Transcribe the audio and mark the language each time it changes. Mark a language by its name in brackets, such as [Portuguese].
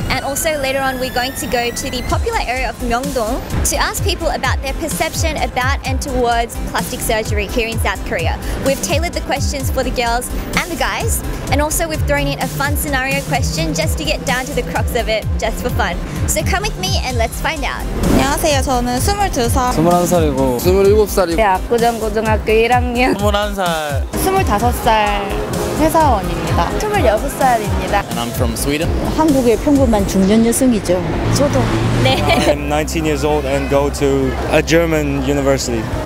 [English] And also later on we're going to go to the popular area of Myeongdong to ask people about their perception about and towards plastic surgery here in South Korea. We've tailored the questions for the girls and the guys, and also we've thrown in a fun scenario question just to get down to the crux of it, just for fun. So come with me and let's find out. [Korean] 안녕하세요. 저는 22살. 21살이고. 27살이고. 네, 압구정 고등학교 1학년. 21살. 25살 회사원입니다. 26살입니다. [English] And I'm from Sweden. [Korean] 한국의 평범한 중년 여성이죠. 저도. 네. [English] I'm 19 years old and go to a German university.